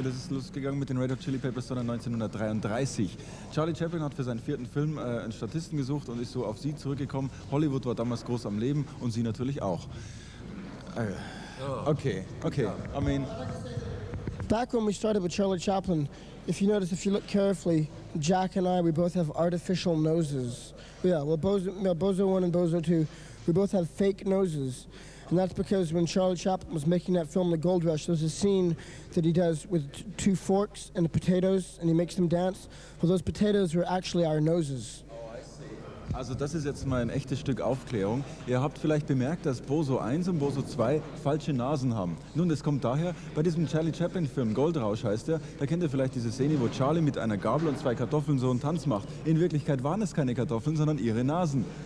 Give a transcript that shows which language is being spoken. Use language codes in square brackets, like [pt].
[de] Das ist losgegangen mit den Red Hot Chili Peppers, sondern 1933. Charlie Chaplin hat für seinen vierten Film einen Statisten gesucht und ist so auf sie zurückgekommen. Hollywood war damals groß am Leben und sie natürlich auch. [en] Okay. I mean. Back when we started with Charlie Chaplin, if you notice, if you look carefully, Jack and I, we both have artificial noses. Yeah, well, Bozo 1 and Bozo 2, we both have fake noses. And that's because when Charlie Chaplin was making that film, The Gold Rush, there's a scene that he does with two forks and the potatoes, and he makes them dance. Well, those potatoes were actually our noses. Oh, I see. [de] Also, das ist jetzt mal ein echtes Stück Aufklärung. Ihr habt vielleicht bemerkt, dass Bozo 1 und Bozo 2 falsche Nasen haben. Nun, das kommt daher, bei diesem Charlie Chaplin-Film, Gold Rush heißt er, da kennt ihr vielleicht diese Szene, wo Charlie mit einer Gabel und zwei Kartoffeln so einen Tanz macht. In Wirklichkeit waren es keine Kartoffeln, sondern ihre Nasen.